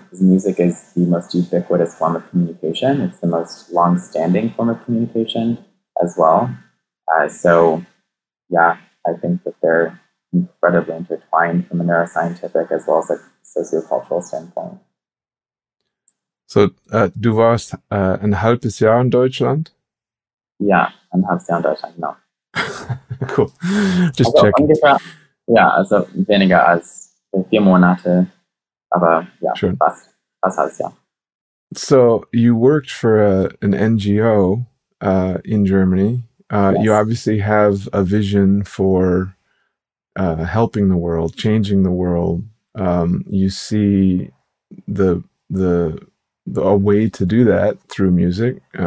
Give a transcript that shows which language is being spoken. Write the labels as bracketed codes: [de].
[en] Because music is the most ubiquitous form of communication. It's the most long-standing form of communication as well. I think that they're incredibly intertwined from a neuroscientific as well as a sociocultural standpoint. [de] So, du warst ein halbes Jahr in Deutschland? Ja, ein halbes Jahr in Deutschland, genau. [en] Cool. Just also checking. [de] Also weniger als 4 Monate, aber ja, [en] sure. [de] Fast halbes Jahr. [en] So, you worked for an NGO in Germany. Yes. You obviously have a vision for helping the world, changing the world. You see a way to do that through music.